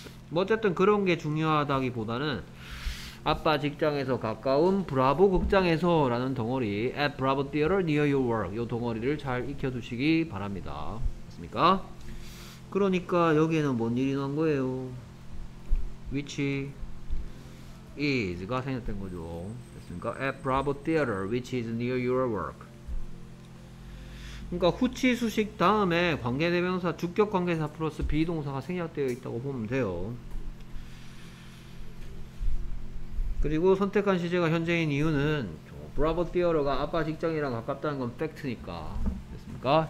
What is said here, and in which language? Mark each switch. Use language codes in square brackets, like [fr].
[ko] 뭐 어쨌든 그런 게 중요하다기보다는 아빠 직장에서 가까운 브라보 극장에서 라는 덩어리 [en] at Bravo Theater near your work [ko] 요 덩어리를 잘 익혀두시기 바랍니다. 맞습니까? 그러니까 여기에는 뭔 일이 난 거예요? [en] which is [ko] 가 생겼던 거죠. 됐습니까? [en] at Bravo Theater which is near your work. [ko] 그러니까 후치 수식 다음에 관계대명사 주격관계사 플러스 비동사가 생략되어 있다고 보면 돼요. 그리고 선택한 시제가 현재인 이유는 Bravo Theater가 아빠 직장이랑 가깝다는 건 팩트니까 됐습니까?